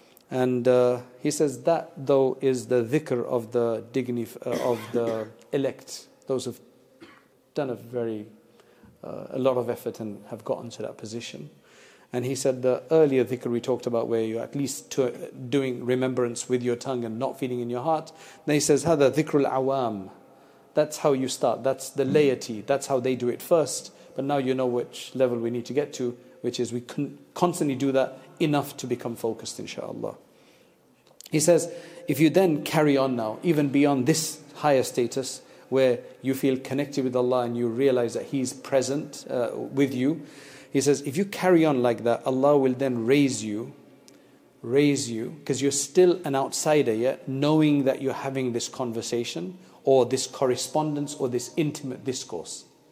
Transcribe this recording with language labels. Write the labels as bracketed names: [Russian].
[English] And he says that though is the dhikr of the of the elect, those who've done a lot of effort and have gotten to that position. And he said the earlier dhikr we talked about, where you're at least doing remembrance with your tongue and not feeling in your heart. Then he says, [Arabic] هذا ذكر العوام. [English] That's how you start. That's the laity. That's how they do it first. But now you know which level we need to get to, which is we constantly do that enough to become focused, inshallah. He says, if you then carry on now, even beyond this higher status, where you feel connected with Allah and you realize that He's present with you, he says, if you carry on like that, Allah will then raise you, because you're still an outsider yet, knowing that you're having this conversation, or this correspondence, or this intimate discourse.